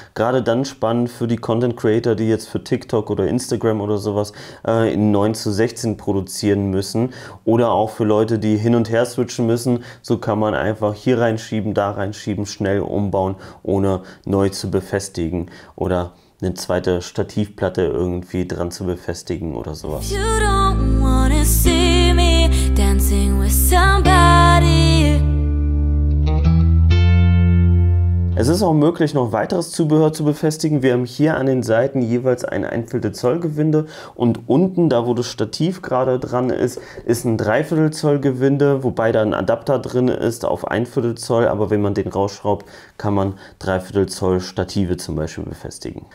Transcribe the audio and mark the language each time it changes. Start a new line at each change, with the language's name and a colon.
German: Gerade dann spannend für die Content Creator, die jetzt für TikTok oder Instagram oder sowas in 9:16 produzieren müssen oder auch für Leute, die hin und her switchen müssen. So kann man einfach hier reinschieben, da reinschieben, schnell umbauen, ohne neu zu befestigen oder eine zweite Stativplatte irgendwie dran zu befestigen oder sowas.
English: You don't wanna see me dancing with somebody.
German: Es ist auch möglich, noch weiteres Zubehör zu befestigen. Wir haben hier an den Seiten jeweils ein 1/4 Zoll Gewinde und unten, da wo das Stativ gerade dran ist, ist ein 3/4 Zoll Gewinde, wobei da ein Adapter drin ist auf 1/4 Zoll, aber wenn man den rausschraubt, kann man 3/4 Zoll Stative zum Beispiel befestigen.